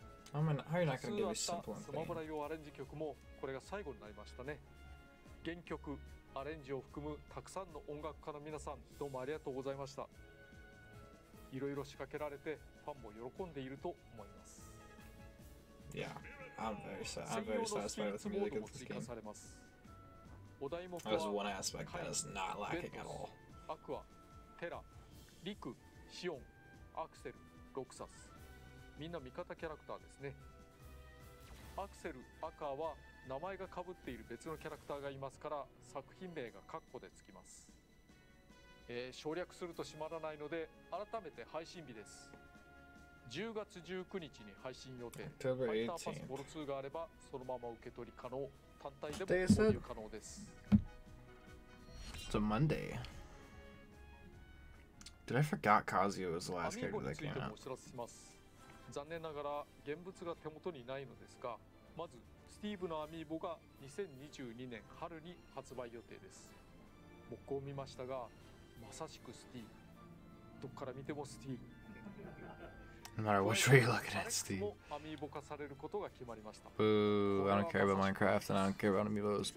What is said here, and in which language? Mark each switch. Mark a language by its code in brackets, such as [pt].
[ja] 普通だったスマブラ用アレンジ曲もこれが最後になりましたね。原曲アレンジを含むたくさんの音楽家の皆さん、どうもありがとうございました。いろいろ仕掛けられてファンも喜んでいると思います。 [en] いや、I'm very satisfied with the music of this game. There's one aspect that is not lacking at all. [ja] アクア、テラ、リク、シオン、アクセル、ロクサス、みんな味方キャラクターですね。アクセル、アカは名前が被っている別のキャラクターがいますから、作品名がカッコでつきます。省略すると閉まらないので改めて配信日です。 10月19日に配信予定。ファイターパスボル2があればそのまま受け取り可能、単体でも購入可能です。 [en] It's a Monday. Did I forget Kazuya was the last character that came out? [ja] お知らせします。残念ながら現物が手元にないのですが、まずスティーブのアミーボが2022年春に発売予定です。僕を見ましたが、まさしくスティーブ。どこから見てもスティーブ。 [en] No matter which way you look at it, Steve. Boo, I don't care about Minecraft and I don't care about Amiibos.